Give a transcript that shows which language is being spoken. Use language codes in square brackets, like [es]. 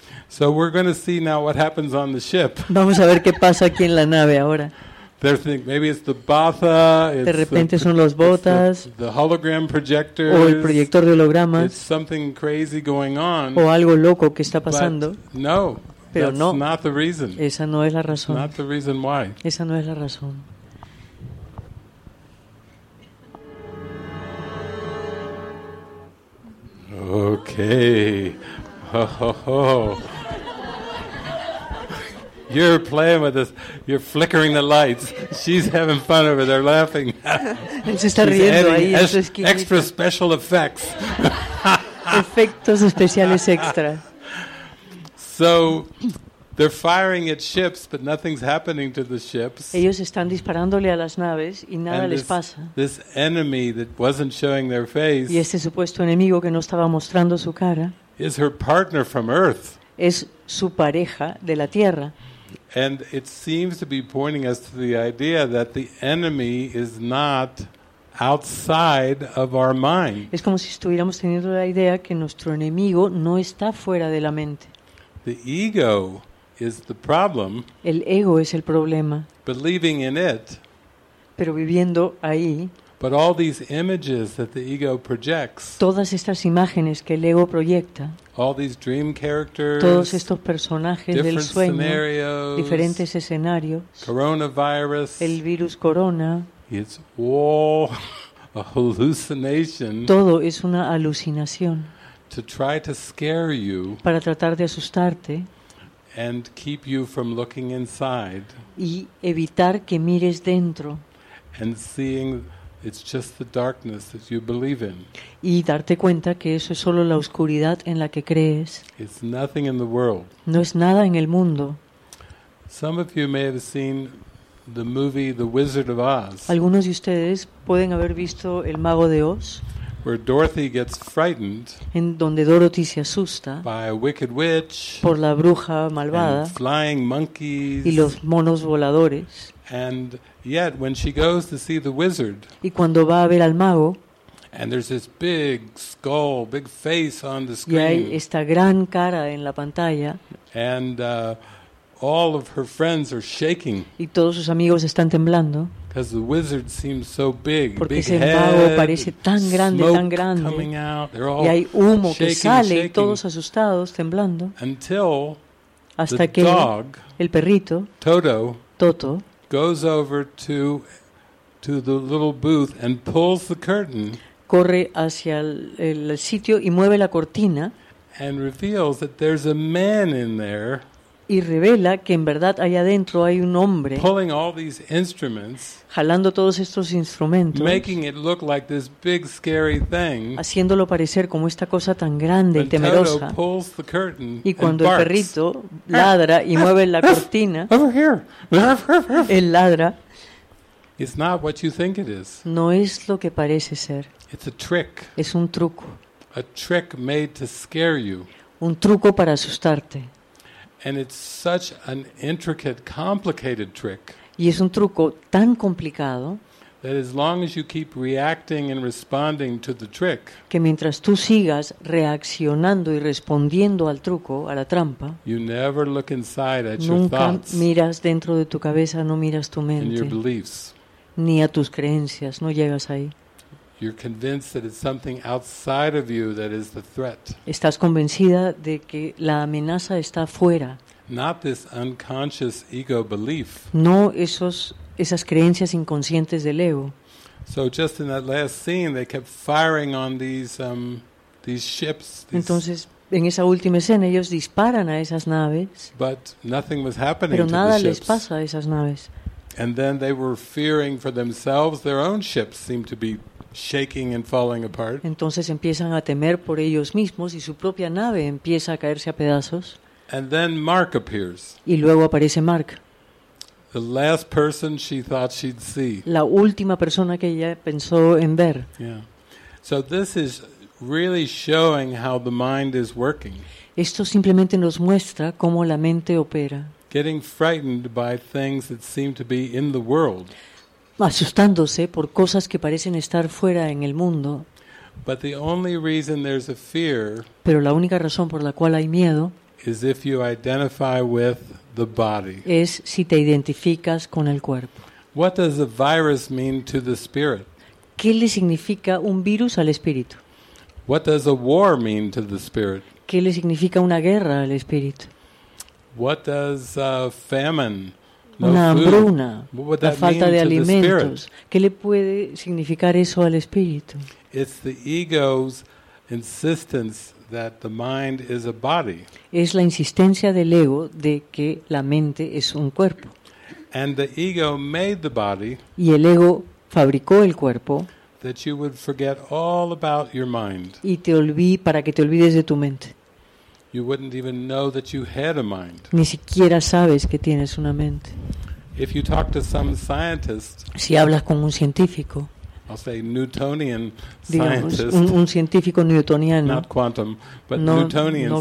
[en] So we're going to see now what happens on the ship. [es] Vamos a ver qué pasa aquí en la nave ahora. [en] They're thinking maybe it's the batha. It's [es] de repente son los botas. [en] The hologram projector. [es] O el proyector de hologramas. [en] It's something crazy going on. [es] O algo loco que está pasando. [en] But no, [es] pero [en] that's [es] no. [en] Not the reason. [es] Esa no es la razón. [en] Not the reason why. [es] Esa no es la razón. [en] Okay. Oh, you're playing with us. You're flickering the lights. She's having fun over there, laughing. She's adding extra special effects. [es] Efectos especiales extra. [en] So they're firing at ships, but nothing's happening to the ships. [es] Ellos están disparándole a las naves y nada les pasa. [en] This enemy that wasn't showing their face. [es] Y este supuesto enemigo que no estaba mostrando su cara. [en] Is her partner from Earth. [es] Es su pareja de la Tierra. [en] And it seems to be pointing us to the idea that the enemy is not outside of our mind. [es] Es como si estuviéramos teniendo la idea que nuestro enemigo no está fuera de la mente. [en] The ego is the problem. [es] El ego es el problema. [en] Believing in it. [es] Pero viviendo ahí. [en] But all these images that the ego projects. [es] Todas estas imágenes que el ego proyecta. [en] All these dream characters. [es] Todos estos personajes del sueño. [en] Different scenarios. [es] Diferentes escenarios. [en] Coronavirus. [es] El virus corona. [en] It's all a hallucination. [es] Todo es una alucinación. [en] To try to scare you. [es] Para tratar de asustarte. [en] And keep you from looking inside. [es] Y evitar que mires dentro. [en] And seeing. It's just the darkness that you believe in. [es] Y darte cuenta que eso es solo la oscuridad en la que crees. [en] It's nothing in the world. [es] No es nada en el mundo. [en] Some of you may have seen the movie The Wizard of Oz. [es] Algunos de ustedes pueden haber visto El Mago de Oz. [en] Where Dorothy gets frightened. [es] En donde Dorothy se asusta. [en] By a wicked witch. [es] Por la bruja malvada. [en] And flying monkeys. [es] Y los monos voladores. [en] And yet, when she goes to see the wizard, [es] y cuando va a ver al mago, [en] and there's this big skull, big face on the screen, [es] y hay esta gran cara en la pantalla, [en] and all of her friends are shaking, [es] y todos sus amigos están temblando, [en] because the wizard seems so big, [es] porque [en] big [es] ese [en] head, [es] mago parece tan grande, [en] coming out, they're all [es] y hay humo [en] shaking, [es] que sale, [en] shaking, [es] y todos asustados, temblando, [en] until [es] hasta [en] the dog, [es] el perrito, [en] Toto, [es] Toto. [en] Goes over to the little booth and pulls the curtain. [es] Corre hacia el sitio y mueve la cortina. [en] And reveals that there's a man in there. [es] Y revela que en verdad allá adentro hay un hombre. [en] Pulling all these instruments. [es] Jalando todos estos instrumentos. [en] Making it look like this big scary thing. [es] Haciéndolo parecer como esta cosa tan grande y temerosa. [en] Toto pulls the curtain and barks. [es] Y cuando el perrito ladra y mueve la cortina. [en] Over here. [es] Él ladra. [en] It's not what you think it is. [es] No es lo que parece ser. [en] It's a trick. [es] Es un truco. [en] A trick made to scare you. [es] Un truco para asustarte. [en] And it's such an intricate, complicated trick. [es] Y es un truco tan complicado. [en] That as long as you keep reacting and responding to the trick, [es] que mientras tú sigas reaccionando y respondiendo al truco, a la trampa, [en] you never look inside at [es] nunca [en] your thoughts, [es] miras dentro de tu cabeza, no miras tu mente, [en] and your beliefs, [es] ni a tus creencias, no llegas ahí. [en] You're convinced that it's something outside of you that is the threat. [es] Estás convencida de que la amenaza está fuera. [en] Not this unconscious ego belief. [es] No esas creencias inconscientes del ego. [en] So just in that last scene, they kept firing on these ships. [es] Entonces, en esa última escena, ellos disparan a esas naves. [en] But nothing was happening. [es] Pero nada [en] to the [es] les [en] ships. [es] Pasa a esas naves. [en] And then they were fearing for themselves. Their own ships seemed to be shaking and falling apart. [es] Entonces empiezan a temer por ellos mismos y su propia nave empieza a caerse a pedazos. [en] And then Mark appears. [es] Y luego aparece Mark. [en] The last person she thought she'd see. [es] La última persona que ella pensó en ver. [en] Yeah. So this is really showing how the mind is working. [es] Esto simplemente nos muestra cómo la mente opera. [en] Getting frightened by things that seem to be in the world. [es] Asustándose por cosas que parecen estar fuera en el mundo. [en] But the only reason there's a fear, [es] pero la única razón por la cual hay miedo, [en] is if you identify with the body. [es] Es si te identificas con el cuerpo. [en] What does a virus mean to the spirit? [es] ¿Qué le significa un virus al espíritu? [en] What does a war mean to the spirit? [es] ¿Qué le significa una guerra al espíritu? [en] What does famine? [es] Una hambruna, la falta de alimentos. ¿Qué le puede significar eso al espíritu? [en] It's the ego's insistence that the mind is a body. [es] Es la insistencia del ego de que la mente es un cuerpo. [en] And the ego made the body. [es] Y el ego fabricó el cuerpo. [en] That you would forget all about your mind. [es] Y te para que te olvides de tu mente. [en] You wouldn't even know that you had a mind. [es] Ni siquiera sabes que tienes una mente. [en] If you talk to some scientist, [es] si hablas con un científico, [en] I'll say Newtonian [es] digamos, [en] scientist, [es] un científico newtoniano, [en] not quantum, but [es] no, [en] Newtonian [es] no